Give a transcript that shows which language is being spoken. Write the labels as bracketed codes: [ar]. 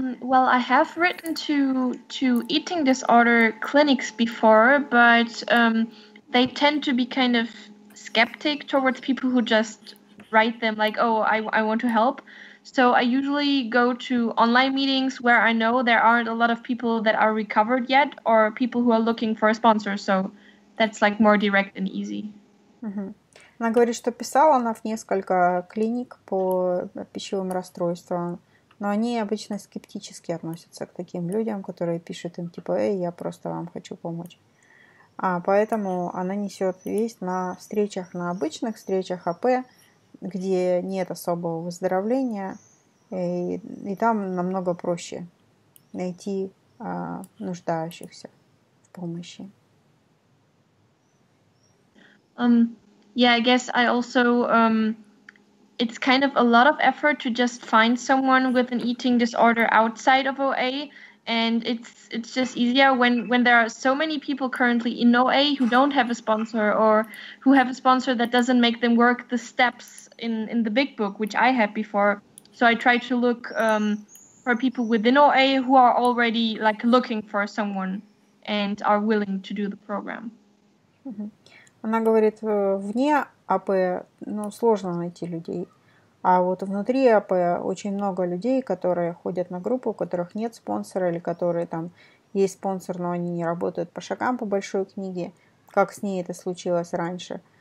[en] Well, I have written to eating disorder clinics before, but they tend to be kind of skeptic towards people who just write them like, oh, I want to help. So I usually go to online meetings where I know there aren't a lot of people that are recovered yet or people who are looking for a sponsor. So that's like more direct and easy. Mm-hmm. [ru] Она говорит, что писала она в несколько клиник по пищевым расстройствам, но они обычно скептически относятся к таким людям, которые пишут им типа, эй, я просто вам хочу помочь. А поэтому она несет весь на встречах, на обычных встречах АП, где нет особого выздоровления, и там намного проще найти нуждающихся в помощи. [en] Yeah, I guess I also, it's kind of a lot of effort to just find someone with an eating disorder outside of OA, and it's just easier when there are so many people currently in OA who don't have a sponsor or who have a sponsor that doesn't make them work the steps in the big book, which I had before. So I try to look for people within OA who are already like looking for someone and are willing to do the program. [ru] Она говорит, вне АП, ну, сложно найти людей. А вот внутри АП очень много людей, которые ходят на группу, у которых нет спонсора, или которые там есть спонсор, но они не работают по шагам по большой книге, как с ней это случилось раньше.